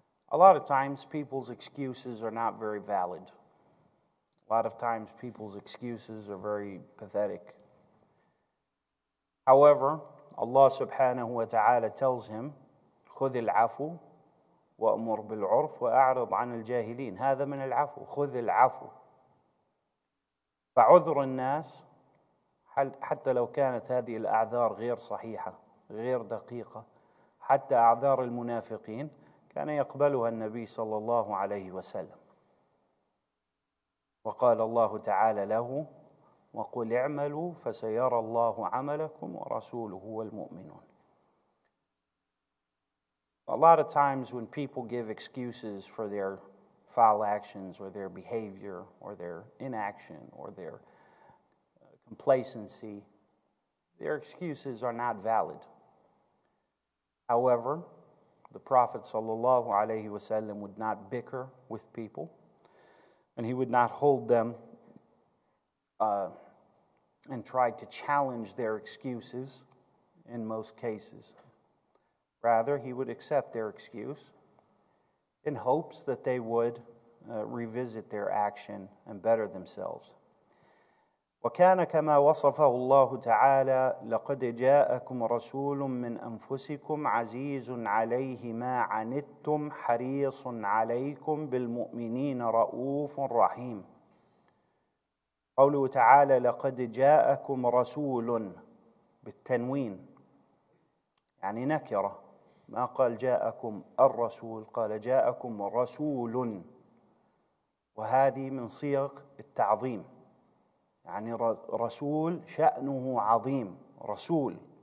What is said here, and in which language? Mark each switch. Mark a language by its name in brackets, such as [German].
[English] A lot of times people's excuses are not very valid. A lot of times people's excuses are very pathetic. However, Allah subhanahu wa ta'ala tells him, [Arabic] خُذِ الْعَفُوْ وَأْمُرْ بِالْعُرْفْ وَأَعْرِضْ عَنِ الْجَاهِلِينَ. هَذَا مِنَ الْعَفُوْ. خُذِ الْعَفُوْ. فَعُذْرُ النَّاسِ حَتَّى لَوْ كَانَتْ هَذِهِ الْأَعْذَارِ غِيرْ صَحِيحَةً غير دقيقة حتى أعذار المنافقين كان يقبلها النبي صلى الله عليه وسلم وقال الله تعالى له وقل اعملوا فسيرى الله عملكم ورسوله والمؤمنون. [English] A lot of times when people give excuses for their foul actions or their behavior or their inaction or their complacency, their excuses are not valid. However, the Prophet sallallahu alaihi wasallam would not bicker with people. and he would not hold them and try to challenge their excuses in most cases. Rather, he would accept their excuse in hopes that they would revisit their action and better themselves. [Arabic] وَكَانَ كَمَا وَصَفَهُ اللَّهُ تَعَالَى لَقَدْ جَاءَكُمْ رَسُولٌ مِّنْ أَنفُسِكُمْ عَزِيزٌ عَلَيْهِ مَا عَنِتُّمْ حَرِيصٌ عَلَيْكُمْ بِالْمُؤْمِنِينَ رَؤُوفٌ رَحِيمٌ قوله تعالى لَقَدْ جَاءَكُمْ رَسُولٌ بالتنوين يعني نكرة ما قال جاءكم الرسول قال جاءكم رسول وهذه من صيغ التعظيم يعني رسول شأنه عظيم رسول